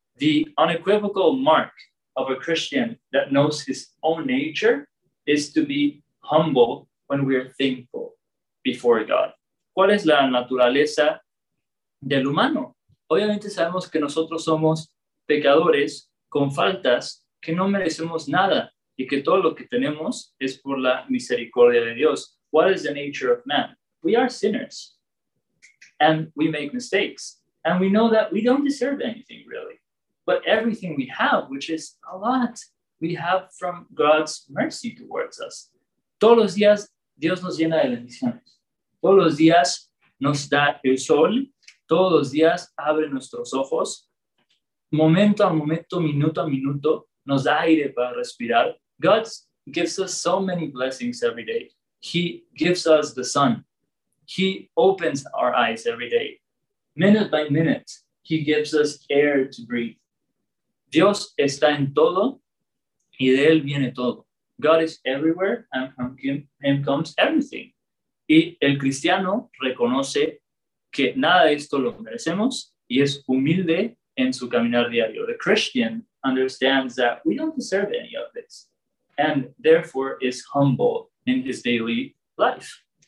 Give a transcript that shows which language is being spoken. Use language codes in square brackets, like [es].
[en] The unequivocal mark of a Christian that knows his own nature is to be humble when we are thankful before God. [es] ¿Cuál es la naturaleza del humano? Obviamente sabemos que nosotros somos pecadores con faltas que no merecemos nada y que todo lo que tenemos es por la misericordia de Dios. [en] What is the nature of man? We are sinners and we make mistakes and we know that we don't deserve anything really. But everything we have, which is a lot, we have from God's mercy towards us. [es] Todos los días Dios nos llena de bendiciones. Todos los días nos da el sol. Todos los días abre nuestros ojos. Momento a momento, minuto a minuto, nos da aire para respirar. [en] God gives us so many blessings every day. He gives us the sun. He opens our eyes every day. Minute by minute, he gives us air to breathe. [es] Dios está en todo y de él viene todo. [en] God is everywhere and from him comes everything. [es] Y el cristiano reconoce que nada de esto lo merecemos y es humilde en su caminar diario. [en] The Christian understands that we don't deserve any of this and therefore is humble in his daily life.